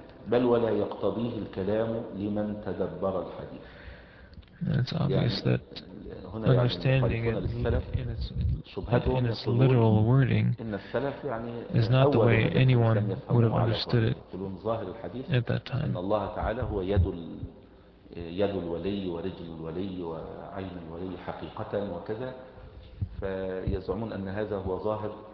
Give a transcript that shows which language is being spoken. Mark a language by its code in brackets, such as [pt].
[ar] بل ولا يقتضيه الكلام لمن تدبر الحديث. [en] It's obvious that understanding it in its literal wording is not the way anyone would have understood it at that time. [ar] إن الله تعالى هو يد الولي ورجل الولي وعين الولي حقيقة وكذا فيزعمون أن هذا هو ظاهر.